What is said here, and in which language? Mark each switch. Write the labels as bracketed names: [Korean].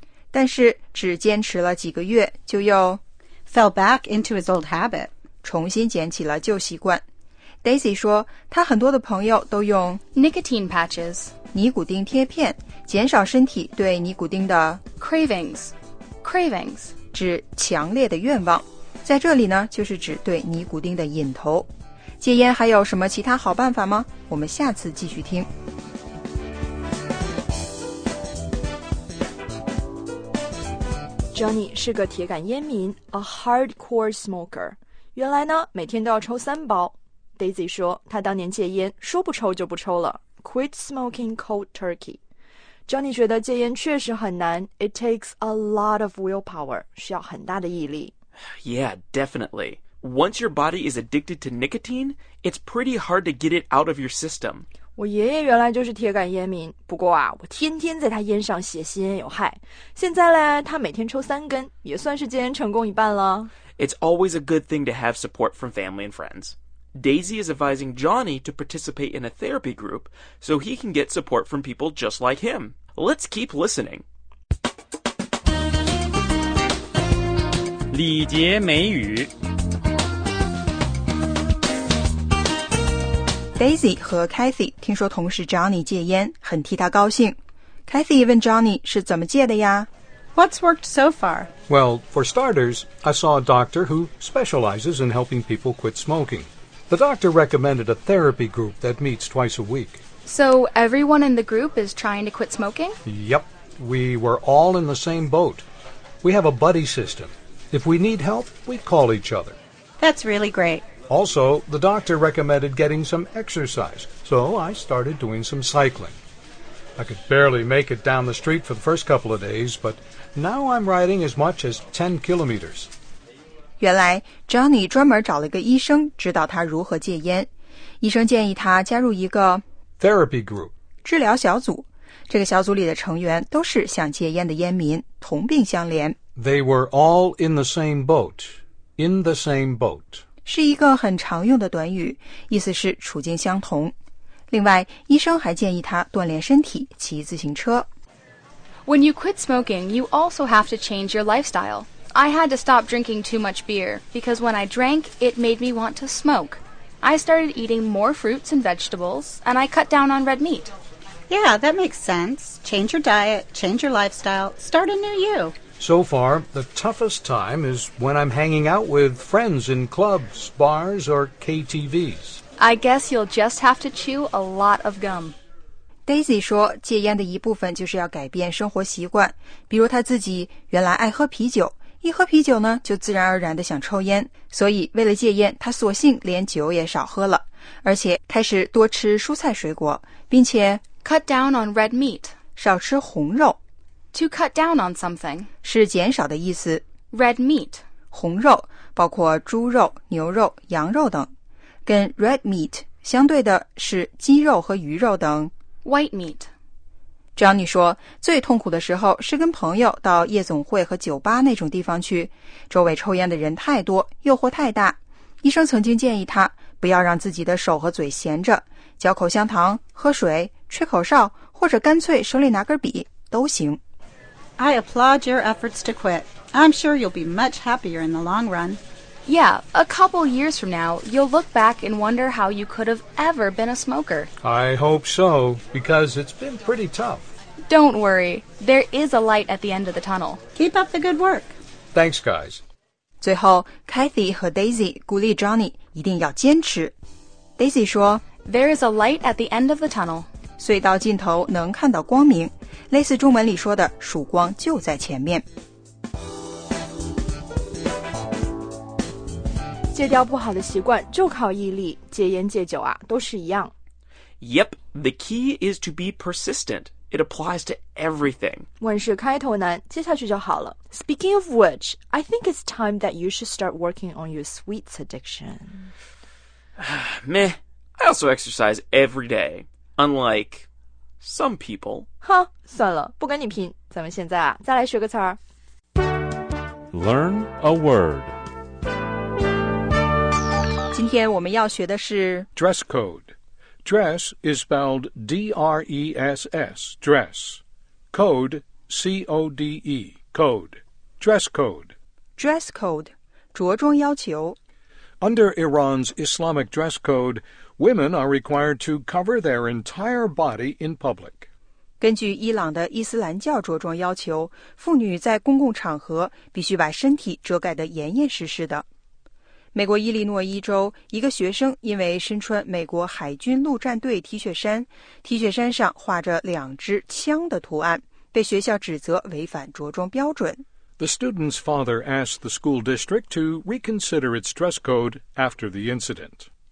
[Chinese] 但是只坚持了几个月就又 [English] fell back into his old habit. [Chinese] 重新捡起了旧习惯。 Daisy 说她很多的朋友都用 [English] nicotine patches, [Chinese] 尼古丁贴片减少身体对尼古丁的 [English] cravings, [Chinese] 指强烈的愿望。在这里呢就是指对尼古丁的瘾头。戒烟还有什么其他好办法吗？我们下次继续听。 Johnny 是个铁杆烟民 , [English] a hardcore smoker。 [Chinese] 原来呢每天都要抽三包。Daisy 说他当年戒烟说不抽就不抽了 , [English] quit smoking cold turkey。 [Chinese] Johnny 觉得戒烟确实很难 , [English] it takes a lot of willpower, [Chinese] 需要很大的毅力。 [English] Yeah, definitely. Once your body is addicted to nicotine, it's pretty hard to get it out of your system. [Chinese] 我爷爷原来就是铁杆烟民，不过啊，我天天在他烟上写吸烟有害。现在呢，他每天抽三根，也算是戒烟成功一半了。 [English] It's always a good thing to have support from family and friends. Daisy is advising Johnny to participate in a therapy group so he can get support from people just like him. Let's keep listening. [Chinese] 礼节美语 Daisy 和 Kathy 听说同事 Johnny 戒烟很替他高兴 Kathy 问 Johnny 是怎么戒的呀 [English] What's worked so far? Well, for starters, I saw a doctor who specializes in helping people quit smoking. The doctor recommended a therapy group that meets twice a week. So everyone in the group is trying to quit smoking? Yep, we were all in the same boat. We have a buddy systemIf we need help, we call each other. That's really great. Also, the doctor recommended getting some exercise, so I started doing some cycling. I could barely make it down the street for the first couple of days, but now I'm riding as much as 10 kilometers. [Chinese] 原来 Johnny 专门找了个医生指导他如何戒烟。医生建议他加入一个 [English] therapy group, [Chinese] 治疗小组。这个小组里的成员都是想戒烟的烟民，同病相怜。 [English] They were all in the same boat. In the same boat. [Chinese] 是一个很常用的短语，意思是处境相同。另外，医生还建议他锻炼身体，骑自行车。 [English] When you quit smoking, you also have to change your lifestyle. I had to stop drinking too much beer, because when I drank, it made me want to smoke. I started eating more fruits and vegetables, and I cut down on red meat. Yeah, that makes sense. Change your diet, change your lifestyle, start a new you. So far, the toughest time is when I'm hanging out with friends in clubs, bars, or KTVs. I guess you'll just have to chew a lot of gum. [Chinese] Daisy 说戒烟的一部分就是要改变生活习惯。比如她自己原来爱喝啤酒。一喝啤酒呢就自然而然地想抽烟。所以为了戒烟她索性连酒也少喝了。而且开始多吃蔬菜水果。并且 [English] cut down on red meat. [Chinese] 少吃红肉。 [English] To cut down on something. [Chinese] 是减少的意思。 [English] Red meat. [Chinese] 红肉包括猪肉牛肉羊肉等。跟 red meat 相对的是鸡肉和鱼肉等。 [English] White meat. [Chinese] Johnny 说最痛苦的时候是跟朋友到夜总会和酒吧那种地方去。周围抽烟的人太多诱惑太大。医生曾经建议他不要让自己的手和嘴闲着。嚼口香糖喝水吹口哨或者干脆手里拿根笔都行。 [English] I applaud your efforts to quit. I'm sure you'll be much happier in the long run. Yeah, a couple years from now, you'll look back and wonder how you could have ever been a smoker. I hope so, because it's been pretty tough. Don't worry, there is a light at the end of the tunnel. Keep up the good work. Thanks, guys. [Chinese] 最后 ,Kathy 和 Daisy 鼓励 Johnny 一定要坚持。 Daisy 说 [English] There is a light at the end of the tunnel. [Chinese] 隧道尽头能看到光明，类似中文里说的曙光就在前面。戒掉不好的习惯就靠毅力，戒烟戒酒啊，都是一样。 [English] Yep, the key is to be persistent. It applies to everything. [Chinese] 万事开头难，接下去就好了。 [English] Speaking of which, I think it's time that you should start working on your sweets addiction. Meh, I also exercise every day, unlike some people. [Chinese] 哈，算了，不跟你拼，咱们现在啊，再来学个词儿。 [English] Learn a word. [Chinese] 今天我们要学的是 [English] dress code. Dress is spelled D-R-E-S-S, dress. Code, C-O-D-E, code. Dress code. [Chinese] Dress code, 着装要求。 [English] Under Iran's Islamic dress code, women are required to cover their entire body in public. [Chinese] 根据伊朗的伊斯兰教着装要求，妇女在公共场合必须把身体遮盖得严严实实的。美国伊利诺伊州一个学生因为身穿美国海军陆战队 T 恤衫 T 恤衫上画着两支枪的图案被学校指责违反着装标准 [English] The student's father asked the school district to reconsider its dress code after the incident